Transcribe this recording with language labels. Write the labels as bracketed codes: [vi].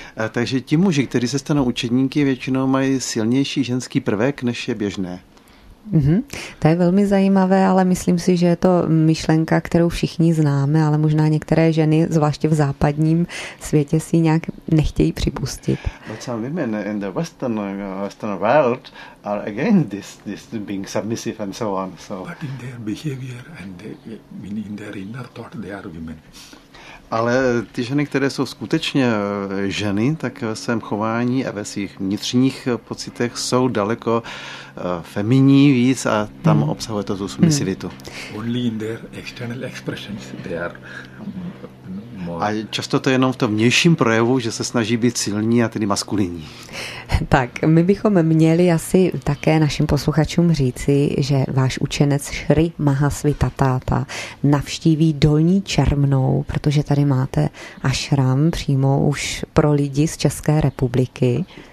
[cs] Takže ti muži, kteří se stanou učedníky, většinou mají silnější ženský prvek, než je běžné. Mm-hmm. To je velmi zajímavé, ale myslím si, že je to myšlenka, kterou všichni známe, ale možná některé ženy, zvláště v západním světě, si nějak nechtějí připustit. [en] But some women in the western world are against this being submissive and so on. So. But in their behavior and in their inner thought, they are women. [cs] Ale ty ženy, které jsou skutečně ženy, tak ve svém chování a ve svých vnitřních pocitech jsou daleko feminní víc a tam obsahuje to tu submisivitu. [en] Only in their external expressions they are more. [cs] A často to jenom v tom vnějším projevu, že se snaží být silní a tedy maskulinní. Tak, my bychom měli asi také našim posluchačům říci, že váš učenec Šri Mahasvitatáta navštíví Dolní Čermnou, protože tady máte ašram přímo už pro lidi z České republiky.